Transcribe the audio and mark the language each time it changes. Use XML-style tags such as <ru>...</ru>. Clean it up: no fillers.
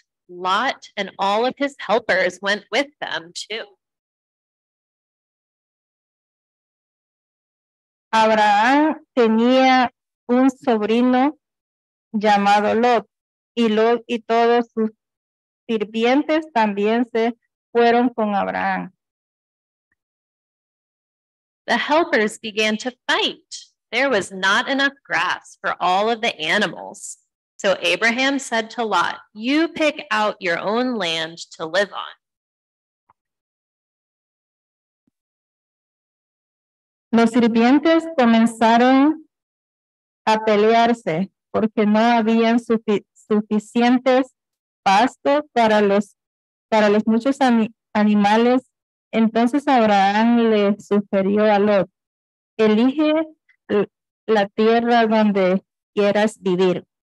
<en>Lot and all of his helpers went with them too.</en> <es>Abraham tenía un sobrino llamado Lot, y Lot y todos sus sirvientes también se fueron con Abraham.</es> <en>The helpers began to fight. There was not enough grass for all of the animals. So Abraham said to Lot, "You pick out your own land to live on."</en> <es>Los sirvientes comenzaron a pelearse porque no habían suficientes pastos para los muchos animales, entonces Abraham le sugirió a Lot, elige la tierra donde quieras vivir.</es>